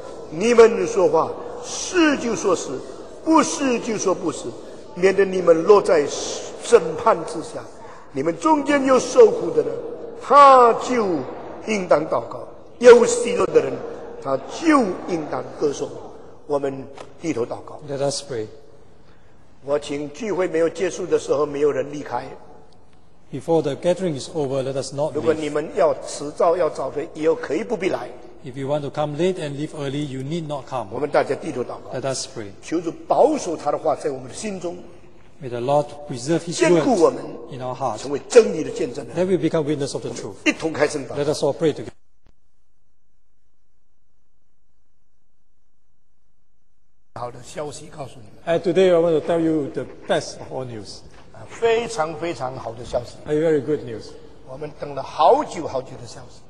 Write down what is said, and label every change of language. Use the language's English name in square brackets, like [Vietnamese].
[Chinese] 你们说话是就说是，不是就说不是，免得你们落在审判之下。你们中间有受苦的人，他就应当祷告；有喜乐的人，他就应当歌颂。我们低头祷告。 [English] Let us pray. [Chinese] 我请聚会没有结束的时候，没有人离开。 [English] Before the gathering is over, let us not leave. [Chinese] 如果你们要迟到要早退，以后可以不必来。 [English] If you want to come late and leave early, you need not come. [Chinese] 我们大家低头祷告。 [English] Let us pray. [Chinese] 求主保守他的话在我们的心中。 [English] May the Lord preserve His word. [Chinese] 坚固我们。 [English] In our hearts. [Chinese] 成为真理的见证人。 [English] Let we become witness of the truth. [Chinese] 一同开声祷告。 [English] Let us all pray together. And today I want to tell you the best of all news. [Chinese] 非常非常好的消息。 [English] A very good news. [Chinese] 我们等了好久好久的消息。